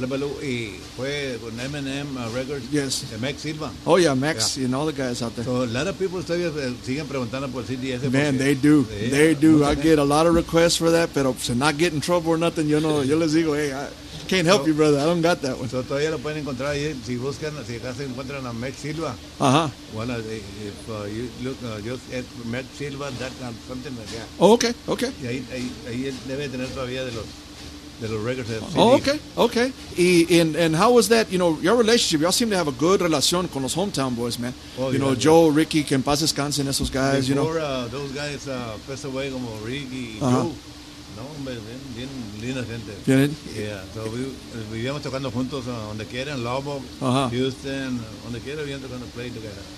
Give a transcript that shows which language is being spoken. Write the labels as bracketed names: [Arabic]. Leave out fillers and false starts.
[Spanish] Jalapalú, y fue con M&M Records. [English] Yes. [Spanish] De Max Silva. [English] Oh yeah, Max and all the guys out there. So a lot of people [Spanish] todavía siguen preguntando por CD. [English] Man, they do. They do. I get a lot of requests for that, [Spanish] pero [English] to not get in trouble or nothing, you know, [Spanish] yo les digo, [English] hey, I can't help you, brother. I don't got that one. So [Spanish] todavía lo pueden encontrar ahí. Si buscan, si acá se encuentran a Max Silva. [English] Uh-huh. [Spanish] Bueno, [English] if you look, just at Max Silva, that something like that. Oh, okay. [Spanish] Y ahí debe tener todavía de los records de CD. [English] Oh, okay. And how was that, you know, your relationship? Y'all seem to have a good relación [Spanish] con los [English] Hometown Boys, man. Oh, you yeah, know, yeah. [Spanish] Joe, Ricky, que en paz descansen, esos [English] guys, you know. Before those guys passed away, [Spanish] como Ricky y Joe. No, hombre, bien linda gente. ¿Bien? [English] Yeah, so [Spanish] vivíamos tocando juntos donde quieran, Lobo, Houston, donde quiera, vivíamos tocando, [English] play together.